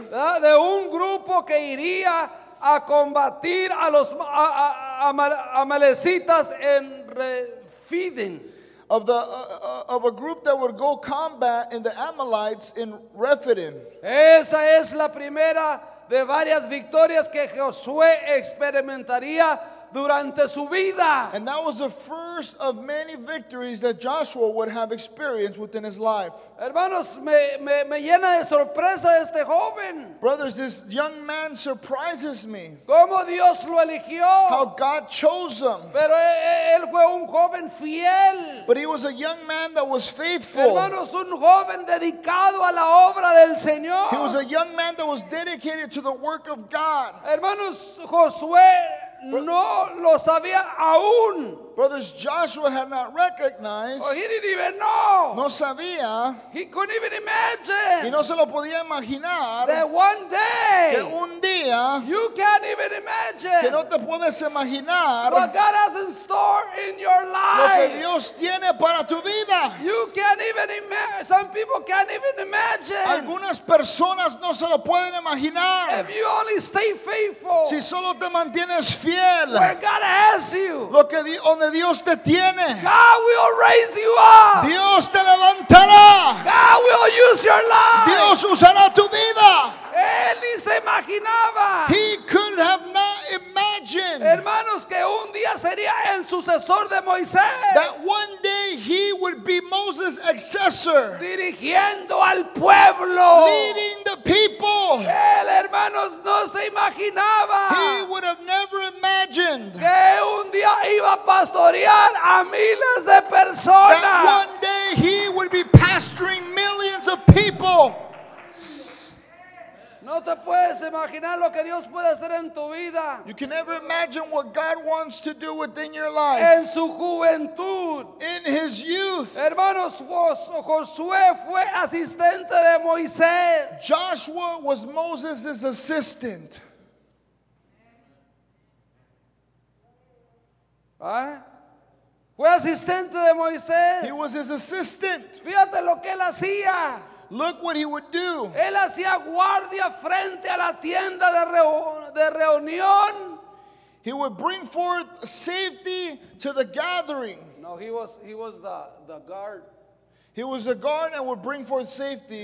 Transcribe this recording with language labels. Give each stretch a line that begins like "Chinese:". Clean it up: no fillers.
Spanish: De un grupo que iría a combatir a los amalecitas en Refidim.
English: Of the of a group that would go combat in the Amalites in Refidim.
Spanish: Esa es la primera de varias victorias que Josué experimentaría durante su vida.
English: And that was the first of many victories that Joshua would have experienced within his life.
Spanish: Hermanos, me llena de sorpresa este joven.
English: Brothers, this young man surprises me.
Spanish: ¿Cómo Dios lo eligió?
English: How God chose him.
Spanish: Pero él fue un joven fiel.
English: But he was a young man that was faithful.
Spanish: Hermanos, un joven dedicado a la obra del Señor.
English: He was a young man that was dedicated to the work of God.
Spanish: Hermanos, Josué no lo sabía aún.
English: Brothers, Joshua had not recognized. Oh, he didn't even know.
Spanish: No sabía.
English: He couldn't even imagine.
Spanish: Y no se lo podía imaginar.
English: That one day.
Spanish: Que un día.
English: You can't even imagine.
Spanish: Que no te puedes imaginar.
English: What God has in store in your life.
Spanish: Lo que Dios tiene para tu vida.
English: You can't even imagine. Some people can't even imagine.
Spanish: Algunas personas no se lo pueden imaginar.
English: If you only stay faithful.
Spanish: Si solo te mantienes fiel.
English: Where God has you.
Spanish: Lo que Dios donde Dios te tiene.
English: God will raise you up.
Spanish: Dios te levantará.
English: God will use your life.
Spanish: Dios usará tu vida. Él ni se imaginaba.
English: He could have not imagined.
Spanish: Hermanos, que un día sería el sucesor de Moisés.
English: That one day he would be Moses' successor.
Spanish: Dirigiendo al pueblo.
English: Leading the people.
Spanish: Él, hermanos, no se imaginaba.
English: He would have never imagined.
Spanish: Que un día iba a pastorear a miles de personas.
English: That one day he would be pastoring millions of people.
Spanish: No te puedes imaginar lo que Dios puede hacer en tu vida.
English: You can never imagine what God wants to do within your life.
Spanish: En su juventud.
English: In his youth.
Spanish: Hermanos, Josué fue asistente de Moisés.
English: Joshua was Moses' assistant.
Spanish: ¿Ah? Fue asistente de Moisés.
English: He was his assistant.
Spanish: Fíjate lo que él hacía.
English: Look what he would do.
Spanish: Él hacía guardia frente a la tienda de reunión.
English: He would bring forth safety to the gathering. No, he was the guard. He was the guard and would bring forth safety.